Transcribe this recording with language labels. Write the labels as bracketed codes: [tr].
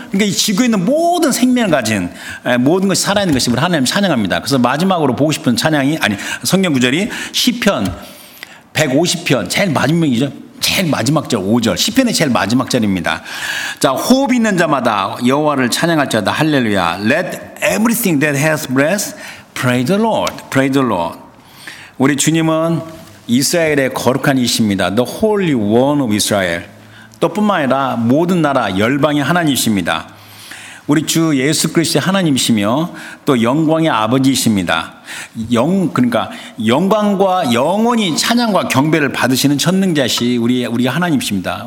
[ko] 그러니까 이 지구에 있는 모든 생명을 가진 모든 것이 살아있는 것임을 하나님 찬양합니다. 그래서 마지막으로 보고 싶은 찬양이 아니 성경 구절이 시편 150편 제일 마지막이죠. 제일 마지막 절 5절 시편의 제일 마지막 절입니다. 자, 호흡 있는 자마다 여호와를 찬양할지어다. 할렐루야. [en] Let everything that has breath praise the Lord. Praise the Lord. [ko] 우리 주님은 이스라엘의 거룩한 이십니다. [en] The Holy One of Israel. [ko] 또 뿐만 아니라 모든 나라 열방의 하나님이십니다. 우리 주 예수 그리스도의 하나님이시며 또 영광의 아버지이십니다. 그러니까 영광과 영원히 찬양과 경배를 받으시는 전능자시 우리 하나님이십니다.